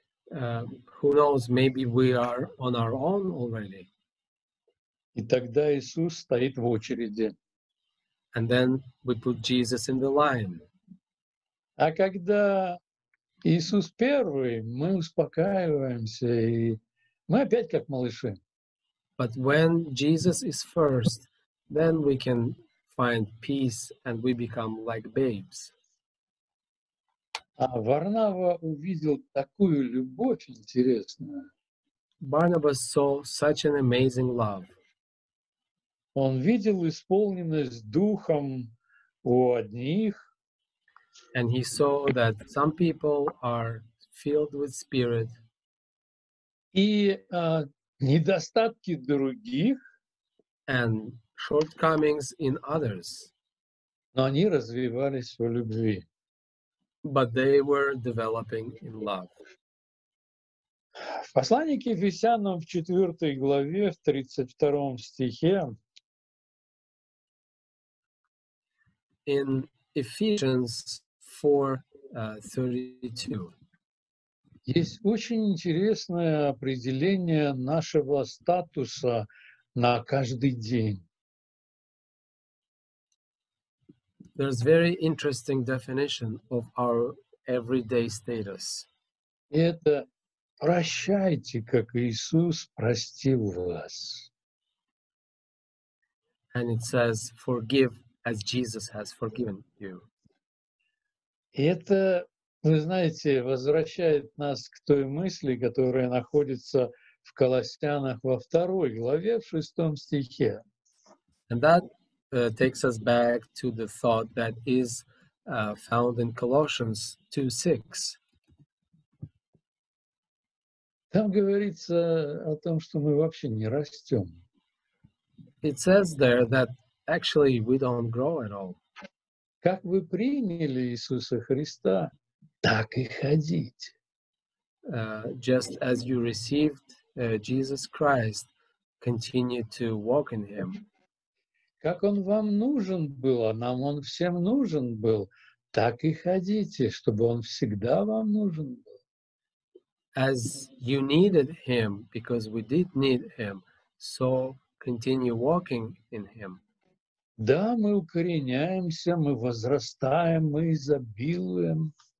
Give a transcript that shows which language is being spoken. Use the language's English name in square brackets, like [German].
[English] who knows, maybe we are on our own already. [Russian] И тогда Иисус стоит в очереди. [English] And then we put Jesus in the line. [Russian] А когда Иисус первый, мы успокаиваемся, и мы опять как малыши. [English] But when Jesus is first, then we can find peace and we become like babes. [Russian] А Варнава увидел такую любовь интересную. [English] Barnabas saw such an amazing love. [Russian] Он видел исполненность духом у одних. [English] And he saw that some people are filled with spirit. [Russian] И недостатки других. [English] And shortcomings in others. [Russian] Но они развивались в любви. [English] But they were developing in love. [Russian] В послании к Ефесянам в 4 главе, в 32 стихе. [English] In Ephesians 4:32. [Russian] Есть очень интересное определение нашего статуса на каждый день. [English] There's very interesting definition of our everyday status. [Russian] Это прощайте, как Иисус простил вас. [English] And it says forgive as Jesus has forgiven you. [Russian] И это, вы знаете, возвращает нас к той мысли, которая находится в Колоссянах во второй главе, в шестом стихе. [English] And that takes us back to the thought that is found in Colossians 2:6. [Russian] Там говорится о том, что мы вообще не растем. [English] It says there that actually, we don't grow at all. [Russian] Как вы приняли Иисуса Христа, так и ходите. [English] Just as you received Jesus Christ, continue to walk in Him. [Russian] Как Он вам нужен был, а нам Он всем нужен был, так и ходите, чтобы Он всегда вам нужен был. [English] As you needed Him, because we did need Him, so continue walking in Him. [Russian] Да, мы укореняемся, мы возрастаем, мы изобилуем.